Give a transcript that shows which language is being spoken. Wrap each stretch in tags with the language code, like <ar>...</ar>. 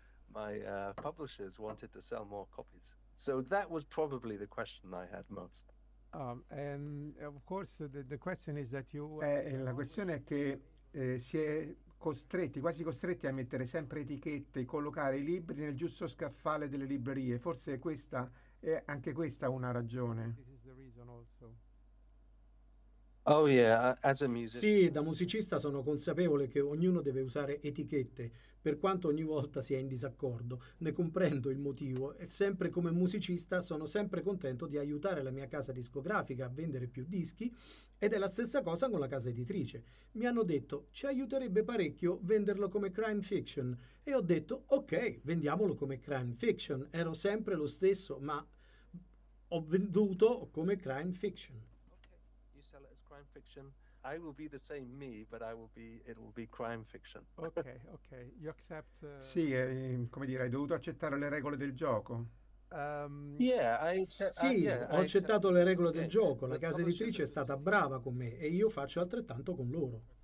<en>My publishers wanted to sell more copies, so that was probably the question I had most. And of course, the question is that you.</en> <it>La questione è che si è costretti, quasi costretti, a mettere sempre etichette, collocare i libri nel giusto scaffale delle librerie. Forse questa è anche questa una ragione.</it> <en>This is the reason also. Oh yeah, as a musician.</en> <it>Sì, da musicista sono consapevole che ognuno deve usare etichette, per quanto ogni volta sia in disaccordo. Ne comprendo il motivo e sempre come musicista sono sempre contento di aiutare la mia casa discografica a vendere più dischi, ed è la stessa cosa con la casa editrice. Mi hanno detto, ci aiuterebbe parecchio venderlo come crime fiction, e ho detto, ok, vendiamolo come crime fiction. Ero sempre lo stesso, ma ho venduto come crime fiction.</it> <en>Crime fiction. I will be the same me, but it will be crime fiction. Okay, you accept.</en> <it>Sì, come dire, hai dovuto accettare le regole del gioco. Ho accettato le regole del gioco. La casa editrice è stata brava con me e io faccio altrettanto con loro.</it>